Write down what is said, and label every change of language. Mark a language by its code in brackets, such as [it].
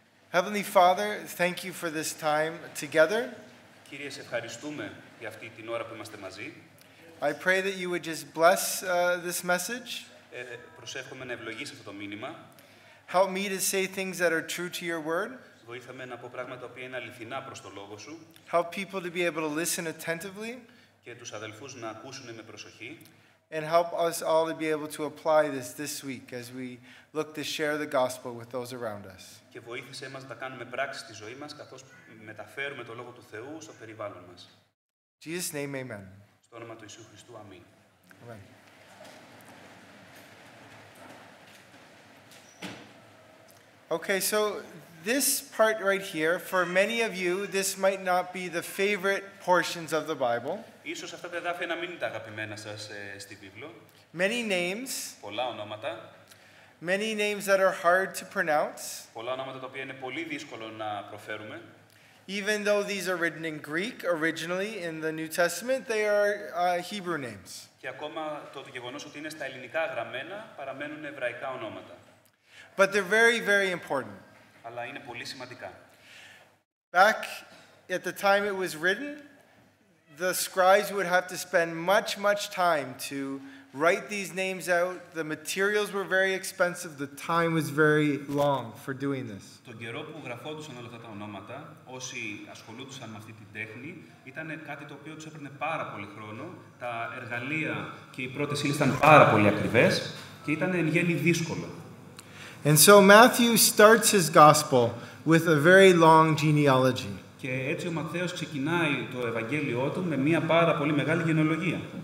[en] Heavenly Father, thank you for this time together. [el] Κύριε, σε ευχαριστούμε για αυτή την ώρα που είμαστε μαζί. [en] I pray that you would just bless this message. [el] Προσεύχομαι να ευλογήσεις αυτό το μήνυμα. [en] Help me to say things that are true to your word. [el] Βοήθαμε να πω πράγματα που είναι αληθινά προς το λόγο σου. [en] Help people to be able to listen attentively. [el] Και τους αδελφούς να ακούσουν με προσοχή. [en] And help us all to be able to apply this week as we look to share the gospel with those around us. [el] Και βοήθησέ μας να κάνουμε πράξη στη ζωή μας καθώς μεταφέρουμε το λόγο του Θεού στο περιβάλλον μας. [en] Jesus' name, amen. [el] Στο όνομα του Ιησού Χριστού, αμήν. [en] Amen. Okay, so this part right here, for many of you, this might not be the favorite portions of the Bible. [el] Ίσως αυτά τα εδάφια να μην είναι τα αγαπημένα σας στη Βίβλο. [en] Many names. [el] Πολλά ονόματα. [en] Many names that are hard to pronounce. [el] Πολλά ονόματα τα οποία είναι πολύ δύσκολο να προφέρουμε. [en] Even though these are written in Greek originally in the New Testament, they are Hebrew names. [el] Και ακόμα το γεγονός ότι είναι στα ελληνικά γραμμένα παραμένουν εβραϊκά ονόματα. [en] But they're very, very important. [el] Αλλά είναι πολύ σημαντικά. [en] Back at the time it was written, the scribes would have to spend much, much time to write these names out. The materials were very expensive. The time was very long for doing this. [el] Το καιρό που γραφόντουσαν όλα αυτά τα ονόματα, όσοι ασχολούντουσαν με αυτή την τέχνη, ήταν κάτι το οποίο τους έπαιρνε πάρα πολύ χρόνο. Τα εργαλεία και οι πρώτες ύλες ήταν πάρα πολύ ακριβές και ήταν εν γέννη δύσκολο. [en] And so Matthew starts his gospel with a very long genealogy. [el] Και έτσι ο Ματθαίος ξεκινάει το Ευαγγέλιο του με μια πάρα πολύ μεγάλη γενεολογία.